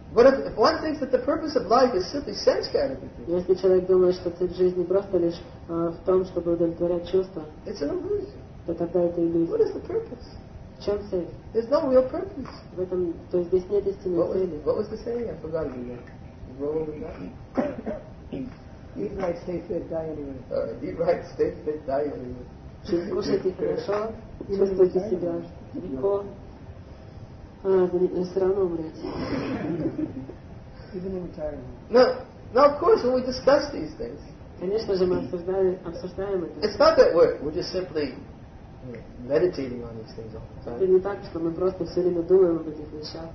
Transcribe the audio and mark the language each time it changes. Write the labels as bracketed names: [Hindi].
[English] But if one thinks that the purpose of life is simply sense gratification, [Russian] если человек думает, что цель жизни просто лишь в том, чтобы удовлетворять чувства, [English] it's an illusion. [Russian] То тогда это иллюзия. [English] What is the purpose? [Russian] В чем цель? [English] There's no real purpose. [Russian] В этом, то есть здесь нет истинной цели. [English] What was the saying? I forgot it again. Eat right, stay fit, die anyway. Eat right, stay fit, die anyway. [Russian] Кушайте хорошо, чувствуйте себя легко. Вы все равно умрете. [English] Even in retirement. Now, of course, when we discuss these things, [Russian] конечно же, мы обсуждаем это. [English] It's not that we're just simply meditating on these things all the time. [Russian] Это не так, что мы просто все время думаем об этих вещах.